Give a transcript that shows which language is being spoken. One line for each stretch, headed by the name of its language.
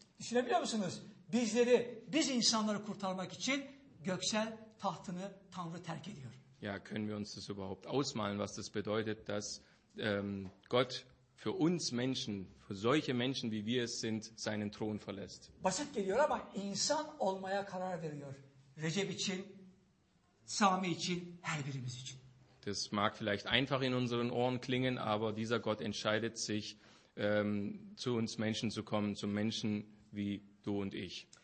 Turkish: Düşünebiliyor musunuz? Bizleri, biz insanları kurtarmak için göksel tahtını Tanrı terk ediyor.
German: Ja, können wir uns das überhaupt ausmalen, was das bedeutet, dass Gott für uns Menschen, für solche Menschen wie wir es sind, seinen Thron verlässt.
Turkish: Basit geliyor ama insan olmaya karar veriyor. Recep için, Sami için, her birimiz için.
German: Das mag vielleicht einfach in unseren Ohren klingen, aber dieser Gott entscheidet sich, zu uns Menschen zu kommen, zu Menschen wie du und ich.